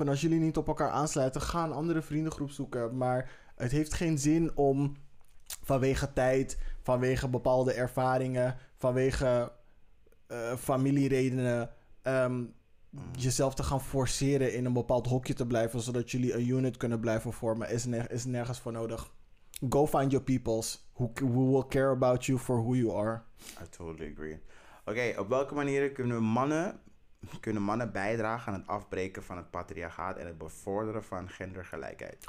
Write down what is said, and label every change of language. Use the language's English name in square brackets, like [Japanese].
[Dutch] En als jullie niet op elkaar aansluiten, ga een andere vriendengroep zoeken. Maar het heeft geen zin om vanwege tijd, vanwege bepaalde ervaringen, vanwege familieredenen, jezelf te gaan forceren in een bepaald hokje te blijven, zodat jullie een unit kunnen blijven vormen. Is nergens voor nodig. [English] Go find your peoples who will care about you for who you are. I totally agree. [Dutch] Oké, op welke manieren kunnen we mannen kunnen mannen bijdragen aan het afbreken van het patriarchaat en het bevorderen van gendergelijkheid.